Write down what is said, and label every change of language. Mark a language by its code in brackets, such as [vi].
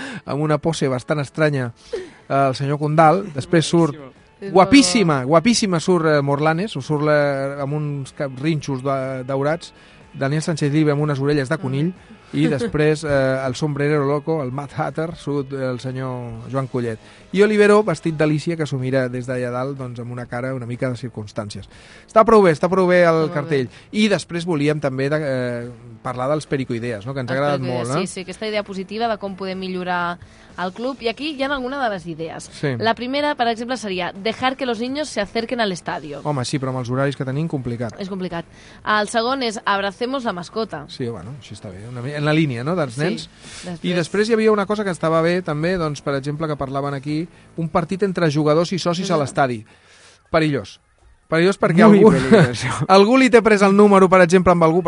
[ca] amb una pose bastant estranya el senyor Condal, després surt guapíssima, guapíssima surt Morlanes, surt la, amb uns rinxos daurats, Daniel Sánchez Llibre amb unes orelles de conill, i després el sombrerero loco, el Mad Hatter, surt el senyor Joan Collet. I Olivero, vestit d'Alicia, que s'ho mira des d'allà dalt, doncs amb una cara una mica de circumstàncies. Està prou bé el cartell. I després volíem també parlar dels pericoidees, no? Que ens ha agradat molt. Sí, sí, aquesta idea positiva de com podem millorar el club. I aquí hi ha alguna de les idees. Sí. La primera, per exemple, seria [es] dejar que los niños se acerquen al estadio. [ca] Home, sí, però amb els horaris que tenim, complicat. És complicat. El segon és [es] abracemos la mascota. [ca] Sí, bueno, així està bé, una mica en la línia, no?, dels nens. Sí, després. I després hi havia una cosa que estava bé, també, doncs, per exemple, que parlaven aquí, un partit entre jugadors i socis a l'estadi. Perillós. Perillós perquè algú, algú li té pres el número, per exemple, amb algú.